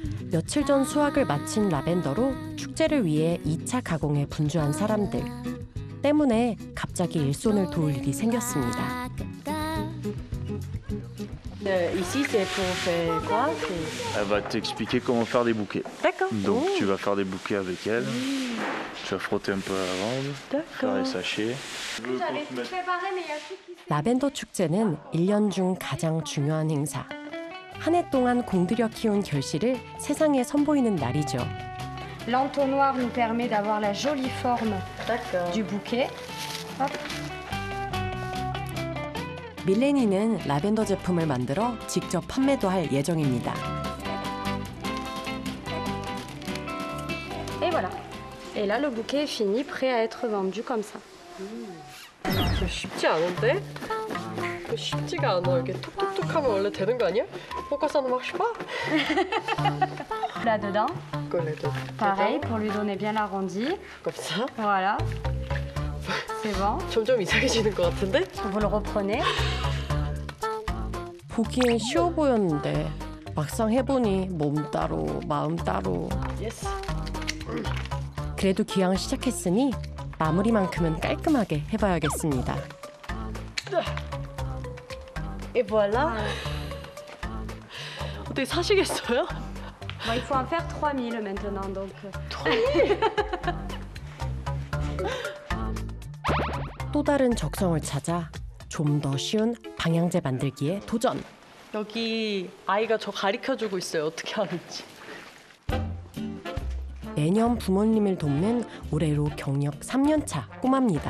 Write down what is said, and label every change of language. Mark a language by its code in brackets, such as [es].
[ko] 며칠 전 수확을 마친 라벤더로 축제를 위해 2차 가공에 분주한 사람들 때문에 갑자기 일손을 도울 일이 생겼습니다. [fr] Ici c'est pour faire quoi? Elle va t'expliquer comment faire des bouquets. D'accord. Donc tu vas faire des bouquets avec elle. Tu vas frotter un peu avant. D'accord. Faire les sachets. [ko] 라벤더 축제는 1년 중 가장 중요한 행사. 한 해 동안 공들여 키운 결실을 세상에 선보이는 날이죠. [fr] L'entonnoir nous permet d'avoir la jolie forme du bouquet. [ko] 밀레니는 라벤더 제품을 만들어 직접 판매도 할 예정입니다. [fr] Et voilà. Et là, le bouquet est fini, prêt à être vendu comme ça. C'est pas facile, non ? C'est pas facile, non ? C'est tout, tout, tout, comme on le fait, non ? Pourquoi ça ne marche pas ? Là-dedans. Pareil, pour lui donner bien l'arrondi. Comme ça. Voilà. C'est bon. C'est un peu bizarre, je crois, non ? Vous le reprenez. [ko] 보기엔 쉬워 보였는데 막상 해보니 몸 따로 마음 따로 그래도 기왕 시작했으니 마무리만큼은 깔끔하게 해봐야겠습니다 [fr] Et voilà [ko] 어떻게 사시겠어요? [fr] Il faut en faire 3000 maintenant donc [ko] 또 다른 적성을 찾아 좀 더 쉬운 방향제 만들기에 도전 여기 아이가 저 가르쳐주고 있어요. 어떻게 하는지. 매년 부모님을 돕는 올해로 경력 3년 차 꼬마입니다.